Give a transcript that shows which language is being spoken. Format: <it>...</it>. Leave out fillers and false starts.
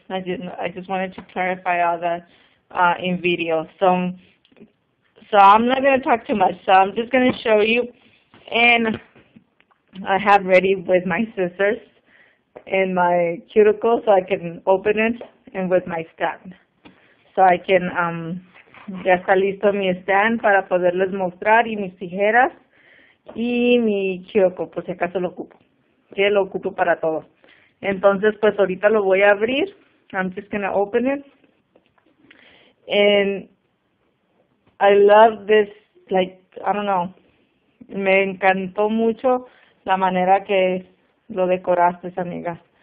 <en>I just wanted to clarify all that in video. So I'm not going to talk too much. So I'm just going to show you, and I have ready with my scissors and my cuticle so I can open it, and with my stand. So I can,</en> <es>ya está listo mi stand para poderles mostrar, y mis tijeras y mi cuticle, por si acaso lo ocupo. Que lo ocupo para todo. Entonces, pues ahorita lo voy a abrir.</es> <en>I'm just gonna open it. And I love this, like, I don't know.</en> <es>Me encantó mucho la manera que lo decoraste, amiga.</es>